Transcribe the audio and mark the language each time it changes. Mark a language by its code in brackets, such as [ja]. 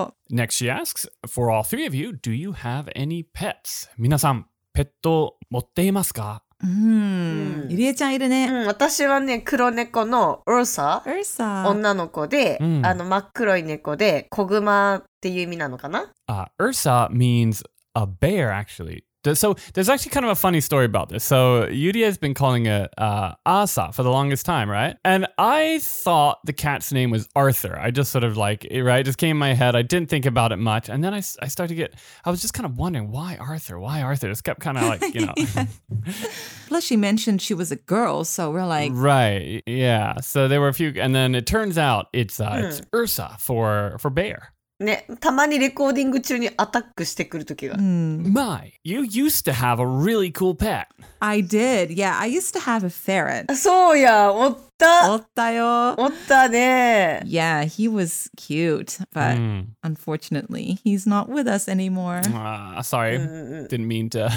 [en] Next, she asks, for all three of you, do you have any pets? [ja] 皆さん、ペット持っていますか? ゆりえちゃんいるね。私はね、黒猫のウーサー。ウーサー。女の子で、真っ黒い猫で、子グマっていう意味なのかな? [en] ウーサー means a bear, actually. So there's actually kind of a funny story about this. So Yuria has been calling it Asa for the longest time, right? And I thought the cat's name was Arthur. I just sort of like, right, just came in my head. I didn't think about it much. And then I started to get, I was just kind of wondering, why Arthur? Why Arthur? Just kept kind of like, you know. Plus she mentioned she was a girl. So we're like. Right. Yeah. So there were a few. And then it turns out it's Ursa for bear. [ja] ね、たまにレコーディング中にアタックしてくるときが。 [en] My, you used to have a really cool pet. I did. Yeah, I used to have a ferret. [ja] そうや、おった。おったよ。おったね。 [en] Yeah, he was cute, but unfortunately, he's not with us anymore. Sorry, didn't mean to.